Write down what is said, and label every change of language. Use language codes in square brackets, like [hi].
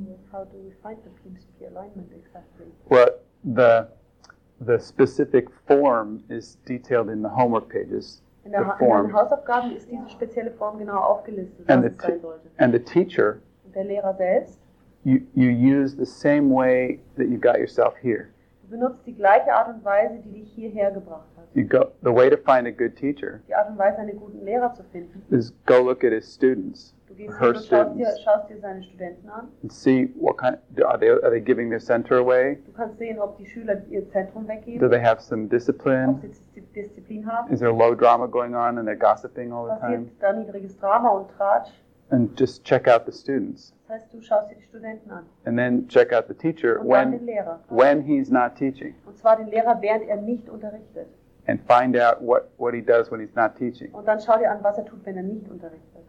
[en] How do we find the PMCP alignment exactly? Well, the specific form is detailed in the homework pages. [de] In der Hausaufgaben ist diese spezielle Form genau aufgelistet, was es sein sollte. [en] And the teacher, [de] der Lehrer selbst, [en] you use the same way that you got yourself here. [de] Du benutzt die gleiche Art und Weise, die dich hierher gebracht hat. [en] You go, the way to find a good teacher, [de] die Art und Weise, einen guten Lehrer zu finden, [en] is go look at his students. [de] Du schaust dir seine Studenten an. [en] And see what kind of, are they giving their center away? [de] Du kannst sehen, ob die Schüler ihr Zentrum weggeben. [en] Do they have some discipline? [de] Ob sie Disziplin haben? [en] Is there low drama going on and they're gossiping all the [de] Passiert [en] time? [de] Passiert da niedriges Drama und Tratsch? [en] And just check out the students. [de] Das heißt, du schaust dir die Studenten an. [en] And then check out the teacher when he's not teaching. [de] Und zwar den Lehrer, während er nicht unterrichtet. [en] And find out what he does when he's not teaching. [de] Und dann schau dir an, was er tut, wenn er nicht unterrichtet.